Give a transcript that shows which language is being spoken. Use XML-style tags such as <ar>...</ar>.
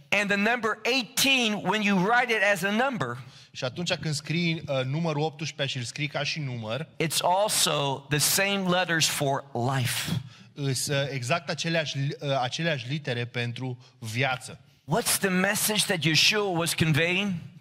<en>And the number 18 when you write it as a number.</en> <ro>Și atunci când scrii numărul 18 și îl scrii ca și număr,</ro> <en>it's also the same letters for life.</en> <ro>Exact aceleași litere pentru viață.</ro> <en>What's the message that Yeshua was conveying?</en>